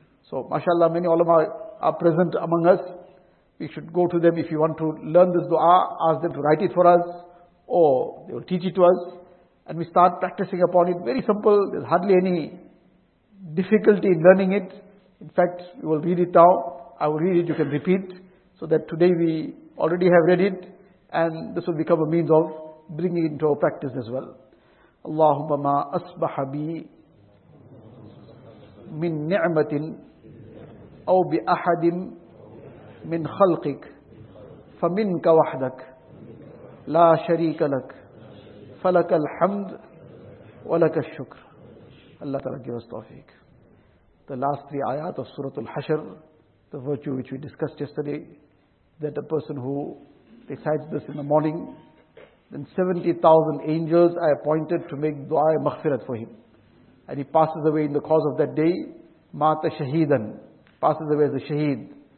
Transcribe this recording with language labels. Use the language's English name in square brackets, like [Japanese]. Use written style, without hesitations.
[English] So, mashallah, many ulama are present among us. We should go to them if you want to learn this dua, ask them to write it for us, or they will teach it to us, and we start practicing upon it. Very simple, there's hardly any difficulty in learning it. In fact, you will read it now. I will read it, you can repeat, so that today we already have read it, and this will become a means of bringing it into our practice as well. [Arabic] Allahumma ma asbaha bi min ni'matin أو بأحد من خلقك فمنك وحدك لا شريك لك فلك الحمد ولك الشكر. [English] الله تعالى give us tawfiq. The last three ayat of Surah Al-Hashr, the virtue which we discussed yesterday, that a person who recites this in the morning, then 70,000 angels I appointed to make dua and maghfirat for him. And he passes away in the course of that day, [Arabic] mata shaheedan, [English] passes away as a shaheed.